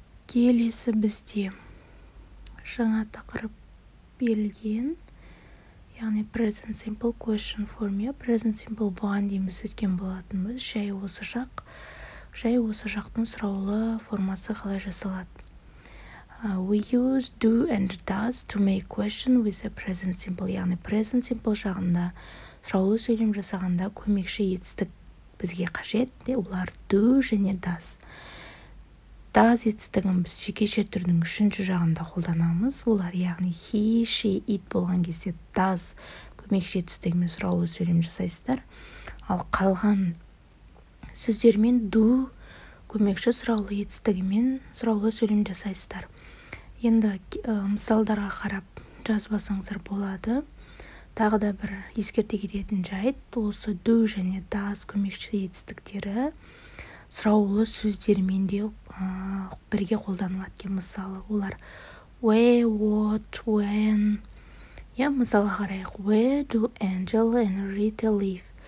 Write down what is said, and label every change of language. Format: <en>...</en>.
<kk>Келесі бізде жаңа тақырып берілген, яғни</kk> <en>present simple question for me, present simple one</en> <kk>дейміз өткен болатынбыз. Жай осы жақтың сұраулы формасы қалай жасалады.</kk> <en>We use do and does to make question with a present simple,</en> <kk>яғни present simple жағында сұраулы сөйлем жасағанда көмекші етістік бізге қажет, олар do және does. Does етістігін біз жекеше түрінің үшінші жағында қолданамыз. Олар, яғни he, she, it болған кезде does көмекші етістігімен сұраулы сөйлем жасайсыздар. Ал қалған сөздермен do көмекші сұраулы етістігімен сұраулы сөйлем жасайсыздар. Енді мысалдарға қарап жазбасаңыздар болады. Тағы да бір ескерте кететін жайт, осы do және does көмекші етістіктері сұраулы сөздермен де бірге қолданылады екен. Мысалы, олар where, what, when. Мысалы қарайық.</kk> <en>Where do Angela and Rita live?</en>